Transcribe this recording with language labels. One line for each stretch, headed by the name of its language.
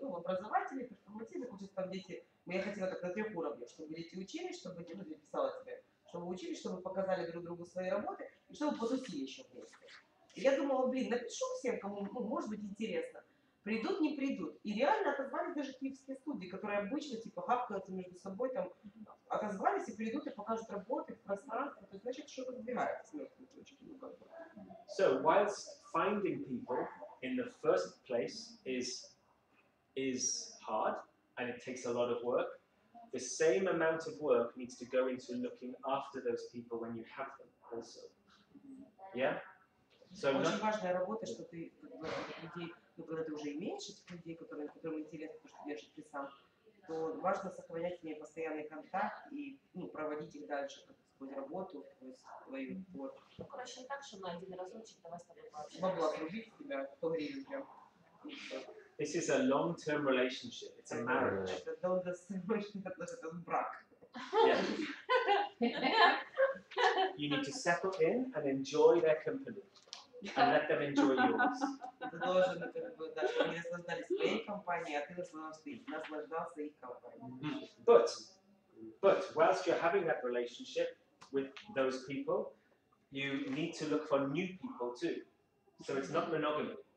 Russian: Ну, образовательный, перформативный, потому что там дети. Мы хотели так на 3 уровнях, чтобы дети учились, чтобы дети написали тебе, чтобы учились, чтобы показали друг другу свои работы и чтобы потусили еще вместе. И я думала, блин, напишу всем, кому может быть интересно. Придут, не придут. И реально отозвались даже киевские студии, которые обычно типа хапкаются между собой, там отозвались и придут и покажут работы в пространстве. То есть значит, что выдвигается с мертвой точки.
English: So, whilst finding people in the first place is hard and it takes a lot of work, the same amount of work needs to go into looking after those people when you have them also. Yeah? So
Russian: очень важная работа, что ты как бы, людей, ну, когда ты уже имеешь этих людей, которым интересно, то, что держит ты сам, то важно сохранять с ней постоянный контакт и ну, проводить их дальше, как сказать, работу, то есть твою творчество. Ну, короче, не так, что мы один разочек, давай с тобой пообщаемся. Могу отрубить тебя, погрею тебя.
English: This is a long-term relationship, it's a marriage.
Russian: Это долгосрочный, это брак.
English: You need to settle in and enjoy their company. And let them enjoy yours. But whilst you're having that relationship with those people, you need to look for new people too. So it's not monogamy.